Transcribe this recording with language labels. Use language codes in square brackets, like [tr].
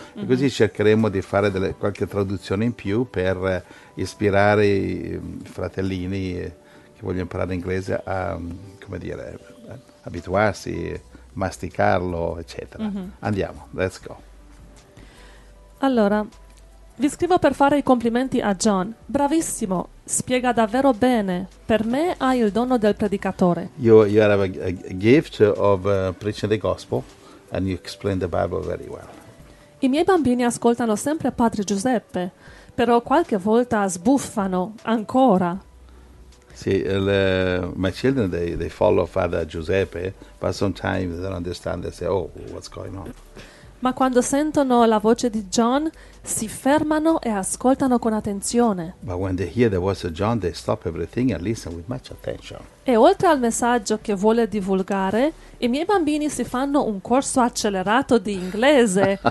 [it] E così cercheremo di fare qualche traduzione in più per ispirare i fratellini che vogliono imparare l'inglese a, come dire, abituarsi, masticarlo, eccetera. Andiamo, [en] let's go. [it] Allora, vi scrivo per fare i complimenti a John. Bravissimo, spiega davvero bene. Per me hai il dono del predicatore. [en] You have a gift of preaching the gospel and you explain the Bible very well. [it] I miei bambini ascoltano sempre Padre Giuseppe, però qualche volta sbuffano ancora. [en] Sì, my children they follow Father Giuseppe, but sometimes they don't understand. They say, "Oh, what's going on?" [it] Ma quando sentono la voce di John, si fermano e ascoltano con attenzione. [en] But when they hear the voice of John, they stop everything and listen with much attention. [it] E oltre al messaggio che vuole divulgare, i miei bambini si fanno un corso accelerato di inglese.